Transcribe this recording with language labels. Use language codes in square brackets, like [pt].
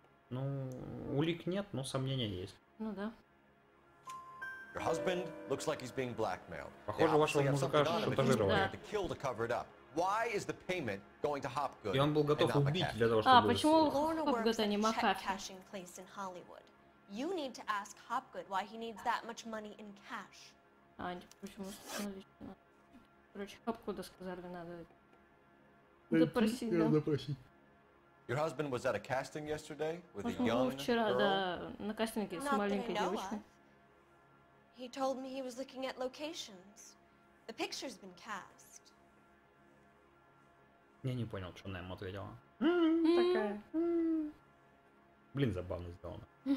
[ru] Ну, улик нет, но сомнения есть. Ну да. [en] Your husband looks like he's being blackmailed. [ru] Похоже, вашего мужика шантажировали. Да. [en] Why is the payment going to Hopgood? [ru] И он был готов убить для того, чтобы. А почему Hopgood, а не Макафи? Hollywood. [en] You need to ask Hopgood why he needs that much money in cash. [ru] А не почему? Короче, Hopgood сказали, надо допросить. [en] Your husband was at a casting yesterday with a young girl. [ru] Да, на кастинге с маленькой девочкой. [en] He told me he was looking at locations. The picture's been cast. [ru] Я не понял, что она ему ответила. Такая. Блин, забавно сделано.